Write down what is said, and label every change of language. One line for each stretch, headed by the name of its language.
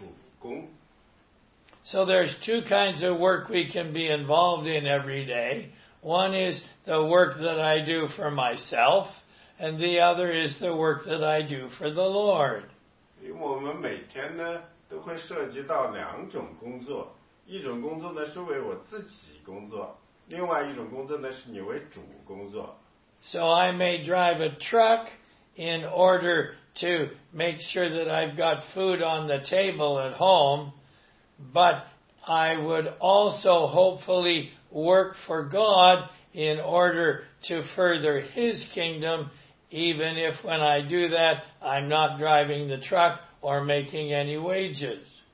Chinese: 这里讲的呢，是常常竭力做主工。
English: So there's two kinds of work we can be involved in every day. One is the work that I do for myself, and the other is the work that I do for the Lord.
Chinese: 因为我们每天呢，都会涉及到两种工作。一种工作呢是为我自己工作，另外一种工作呢是你为主工作。
English: So I may drive a truck in order to make sure that I've got food on the table at home, but I would also hopefully work for God in order to further His kingdom, even if when I do that I'm not driving the truck or making any wages.